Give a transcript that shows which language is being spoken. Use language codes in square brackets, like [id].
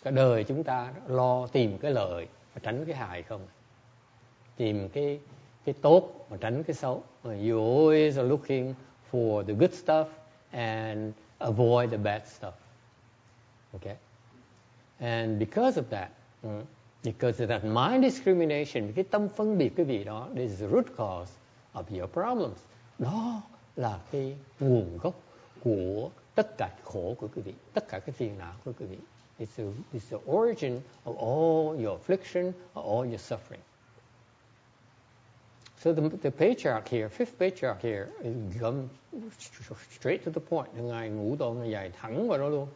[vi] Cái đời chúng ta lo tìm cái lợi và tránh cái hại không? Tìm cái tốt và tránh cái xấu. [en] You always are looking for the good stuff and avoid the bad stuff. Okay? And because of that, mind discrimination, [vi] cái tâm phân biệt cái vị đó, [en] this is the root cause of your problems. [vi] Đó là cái nguồn gốc của tất cả khổ của quý vị, tất cả cái phiền não của quý vị. [en] It's the origin of all your affliction, all your suffering. So the patriarch here, fifth patriarch here, is come straight to the point. [vi] Ngài ngủ tôn nó dài thẳng vào đó luôn.